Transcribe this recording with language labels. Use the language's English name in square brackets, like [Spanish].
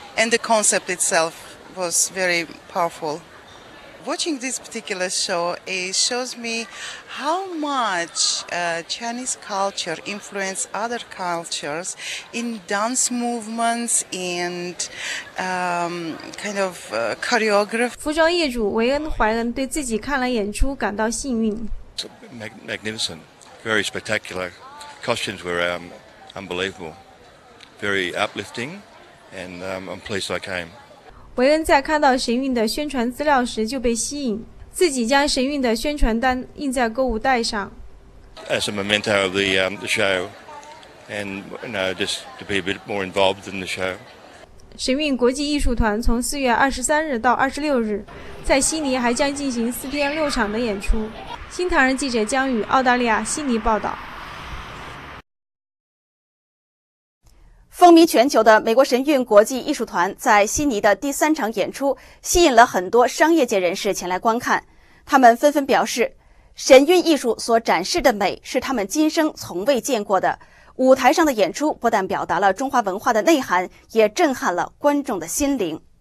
[English] And the concept itself was very powerful. Watching this particular show, it shows me how much Chinese culture influences other cultures in dance movements and kind of choreography. [Chinese] 服装业主维恩·怀恩对自己看了演出感到幸运。 [English] It's magnificent, very spectacular. Costumes were unbelievable, very uplifting, and I'm pleased I came. [Chinese] 维恩在看到神韵的宣传资料时就被吸引，自己将神韵的宣传单印在购物袋上。 [English] As a memento of the show, and you know, just to be a bit more involved in the show. [Chinese] 神韵国际艺术团从4月23日到26日，在悉尼还将进行4天6场的演出。新唐人记者江宇，澳大利亚悉尼报道。风靡全球的美国神韵国际艺术团在悉尼的第三场演出吸引了很多商业界人士前来观看，他们纷纷表示，神韵艺术所展示的美是他们今生从未见过的，舞台上的演出不但表达了中华文化的内涵，也震撼了观众的心灵。